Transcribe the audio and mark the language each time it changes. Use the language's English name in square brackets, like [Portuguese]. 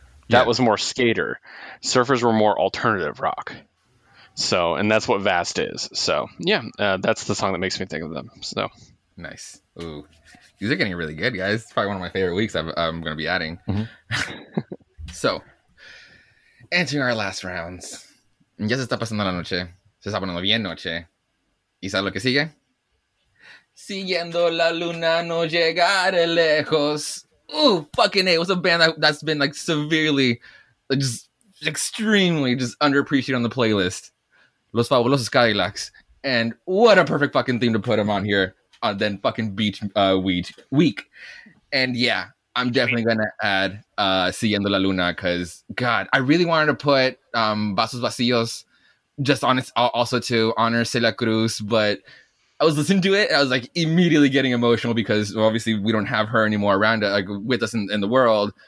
[English] That was more skater. Surfers were more alternative rock. So, and that's what Vast is. So, yeah, that's the song that makes me think of them. So, nice. Ooh, these are getting really good, guys. It's probably one of my favorite weeks I'm going to be adding. Mm-hmm. So, answering our last rounds. [Spanish] ¿Ya se está pasando la noche? ¿Se está poniendo bien noche? ¿Y sabes lo que sigue? Siguiendo la luna no llegaré lejos. [English] Ooh, fucking A. What's a band that's been, like, severely, like, just extremely just underappreciated on the playlist? Los Fabulosos Cadillacs. And what a perfect fucking theme to put them on here on then fucking beach week. And yeah, I'm definitely gonna add Siguiendo la Luna, because god, I really wanted to put Vasos Vacíos just on it also to honor Celia Cruz, but I was listening to it and I was like immediately getting emotional, because obviously we don't have her anymore around like with us in the world.